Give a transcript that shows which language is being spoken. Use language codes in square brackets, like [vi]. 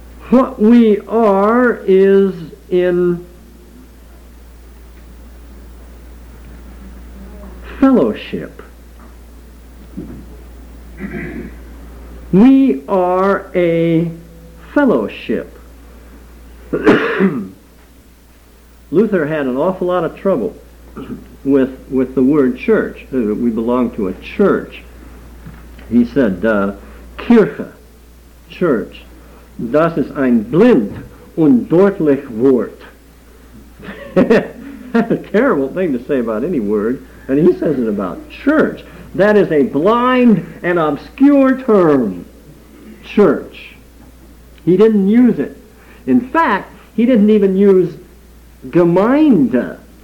[en] What we are is, in fellowship, we are a fellowship. Luther had an awful lot of trouble with the word church. We belong to a church. He said, [de] Kirche, church, das ist ein blind und deutlich Wort. [en] That's a terrible thing to say about any word, and he says it about church. That is a blind and obscure term, church. He didn't use it. In fact, he didn't even use Gemeinde.